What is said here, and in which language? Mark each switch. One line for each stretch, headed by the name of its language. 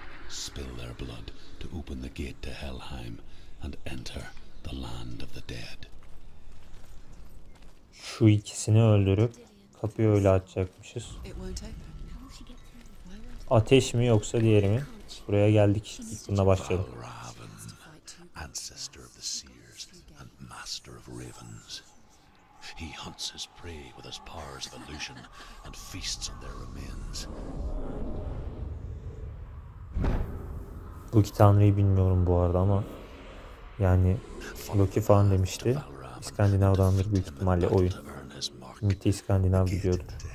English: Spill their blood to open the gate to Helheim and enter the land of the dead.
Turkish: Şu ikisini öldürüp kapıyı öyle açacakmışız. Ateş mi yoksa diğeri mi? Buraya geldik. Bununla başlayalım.
English: Valravn, ancestor of the seers and master of ravens. He hunts his prey with his powers of illusion and feasts on their remains.
Turkish: Bu iki tanrıyı bilmiyorum bu arada ama yani Loki falan demişti. İskandinav'dandır büyük ihtimalle oyun. Mitte İskandinav biliyordur.